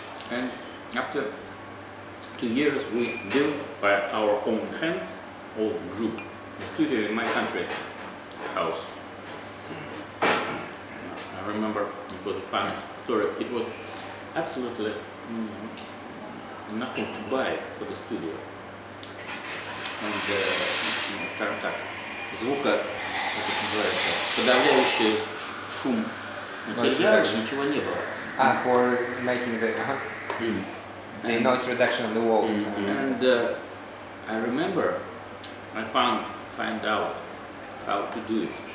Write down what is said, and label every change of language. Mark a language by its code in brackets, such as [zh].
[en] And after 2 years, we built by our own hands, old group, a studio in my country house. I remember it was a funny story. It was absolutely nothing to buy for the studio. And [ru] скажем так, звука, как это называется, подавляющий шум материала, ничего не было. [en] Ah, for making the noise reduction on the walls. And I remember I found out how to do it.